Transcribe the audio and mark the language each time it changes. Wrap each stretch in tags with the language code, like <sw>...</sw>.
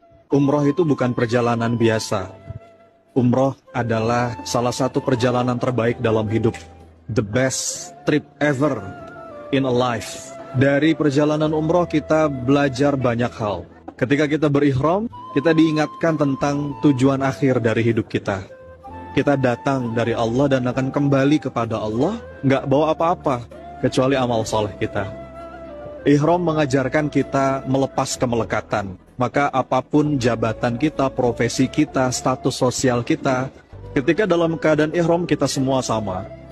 <id>Umroh itu bukan perjalanan biasa. Umroh adalah salah satu perjalanan terbaik dalam hidup.</id> <en>The best trip ever in a life.</en> <id>Dari perjalanan umroh kita belajar banyak hal. Ketika kita berihram, kita diingatkan tentang tujuan akhir dari hidup kita. Kita datang dari Allah dan akan kembali kepada Allah, nggak bawa apa-apa kecuali amal saleh kita. Ihram mengajarkan kita melepas kemelekatan. Maka apapun jabatan kita, profesi kita, status sosial kita, ketika dalam keadaan ihram kita semua sama.</id>